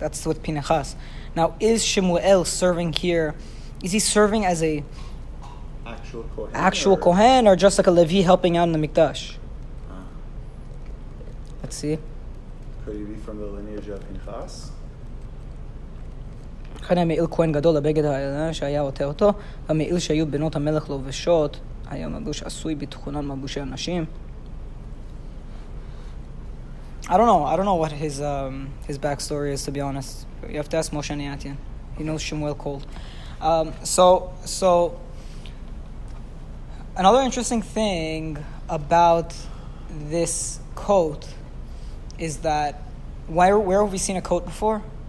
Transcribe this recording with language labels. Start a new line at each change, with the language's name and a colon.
English: That's with Pinchas. Now, is Shemuel serving here? Is he serving as a actual Kohen, actual Kohen, or just like a Levi helping out in the Mikdash? Let's see. Could he be from the lineage of Pinchas?
Hebrew: כאן המעיל כהן גדול לבגד העלה שהיה עוטה אותו, המעיל שהיו בנות המלך לובשות, היה מלבוש עשוי בתכונן מלבושי אנשים.
English: I don't know what his backstory is, to be honest. You have to ask Moshe Neatian. He knows Shemuel cold. So another interesting thing about this coat is that where have we seen a coat before?